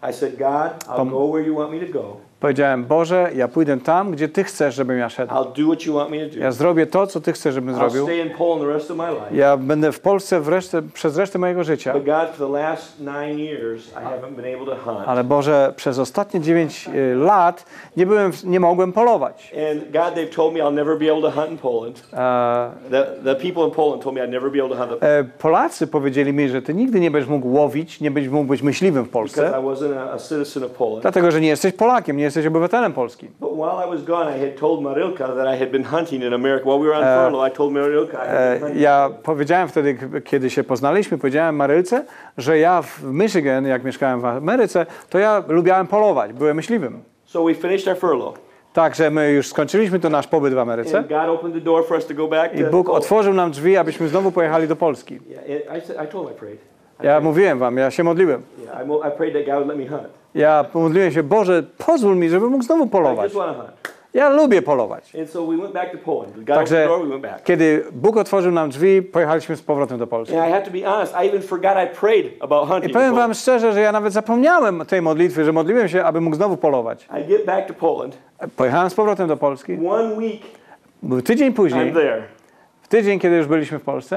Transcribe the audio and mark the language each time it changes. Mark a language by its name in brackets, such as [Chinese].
[English] I said, God, I'll go where you want me to go. [Polish] Powiedziałem, Boże, ja pójdę tam, gdzie Ty chcesz, żebym ja szedł. [English] I'll do what you want me to do. [Polish] Ja zrobię to, co Ty chcesz, żebym zrobił. [English] I'll stay in Poland the rest of my life. [Polish] Ja będę w Polsce przez resztę mojego życia. [English] But God, for the last 9 years, I haven't been able to hunt. [Polish] Ale Boże, przez ostatnie 9 lat nie mogłem polować. [English] And God, they've told me I'll never be able to hunt in Poland. The people in Poland told me I'd never be able to hunt. [Polish] Polacy powiedzieli mi, że Ty nigdy nie będziesz mógł łowić, nie będziesz mógł być myśliwym w Polsce. [English] Because I wasn't a citizen of Poland. [Polish] Dlatego, że nie jesteś Polakiem. Nie jesteś obywatelem Polski. [English] But while I was gone, I had told Marylka that I had been hunting in America. While we were on furlough, I told Marylka. [Polish] Ja powiedziałem wtedy, kiedy się poznaliśmy, powiedziałem Marylce, że ja w Michigan, jak mieszkałem w Ameryce, to ja lubiałem polować, byłem myśliwym. [English] So we finished our furlough. [Polish] Także my już skończyliśmy to nasz pobyt w Ameryce. [English] And God opened the door for us to go back. [Polish] I Bóg otworzył nam drzwi, abyśmy znowu pojechali do Polski. [English] Yeah, I told my prayer. [Polish] Ja mówiłem wam, ja się modliłem. [English] I prayed that God would let me hunt. [Polish] Ja pomodliłem się, Boże, pozwól mi, żebym mógł znowu polować. Ja lubię polować. Także kiedy Bóg otworzył nam drzwi, pojechaliśmy z powrotem do Polski. [English] I have to be honest, I even forgot I prayed about hunting. [Polish] I powiem wam szczerze, że ja nawet zapomniałem tej modlitwy, że modliłem się, aby mógł znowu polować. [English] I get back to Poland. [Polish] Pojechałem z powrotem do Polski. [English] One week. [Polish] Tydzień później. [English] I'm there. [Polish] W tydzień, kiedy już byliśmy w Polsce.